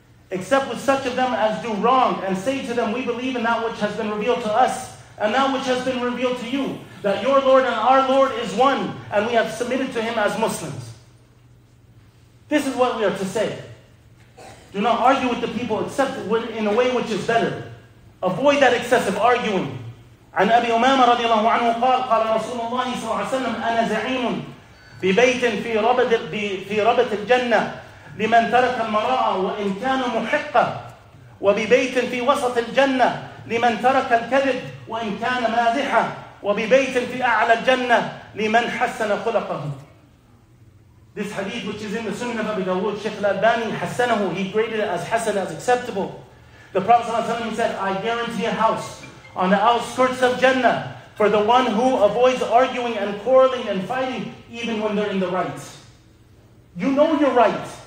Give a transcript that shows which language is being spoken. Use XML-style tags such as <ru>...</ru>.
<en>Except with such of them as do wrong, and say to them, we believe in that which has been revealed to us, and that which has been revealed to you, that your Lord and our Lord is one, and we have submitted to Him as Muslims. This is what we are to say. Do not argue with the people, except in a way which is better. Avoid that excessive arguing.</en> <ar>عن أبي أمامة رضي الله عنه قال رسول الله صلى الله عليه وسلم أنا زعيم ببيت في ربد في ربط الجنة لمن ترك المرأة وإن كان محقا وببيت في وسط الجنة لمن ترك الكذب وإن كان مازحا وببيت في أعلى الجنة لمن حسن خلقه.</ar> <en>This hadith, which is in the Sunnah of Abu Dawood, Sheikh al-Albani, hassanahu, he graded it as hassan, as acceptable. The Prophet ﷺ said, I guarantee a house on the outskirts of Jannah for the one who avoids arguing and quarreling and fighting even when they're in the right. You know you're right.</en>